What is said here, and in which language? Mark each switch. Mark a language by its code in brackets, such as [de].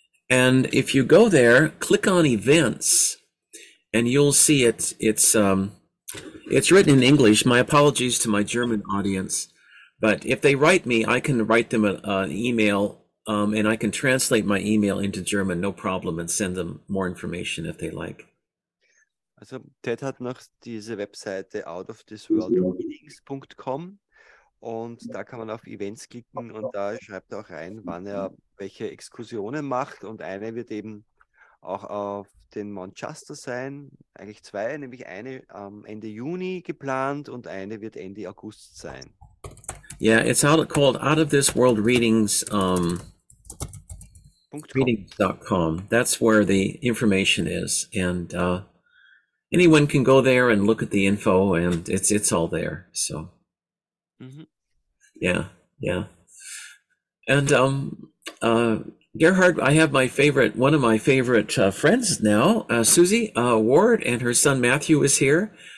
[en] And if you go there, click on events, and you'll see it. It's written in English. My apologies to my German audience, but if they write me, I can write them an email, and I can translate my email into German, no problem, and send them more information if they like. [de] Also, Ted hat noch diese Webseite outofthisworldreadings.com. Und da kann man auf Events klicken und da schreibt er auch rein, wann er welche Exkursionen macht. Und eine wird eben auch auf den Mount Shasta sein, eigentlich zwei, nämlich eine Ende Juni geplant und eine wird Ende August sein. [en] Yeah, it's called Out of This World Readings, readings.com. That's where the information is. And anyone can go there and look at the info and it's all there, so. Mm-hmm. Yeah. And Gerhard, I have one of my favorite friends now, Susie Ward, and her son Matthew is here.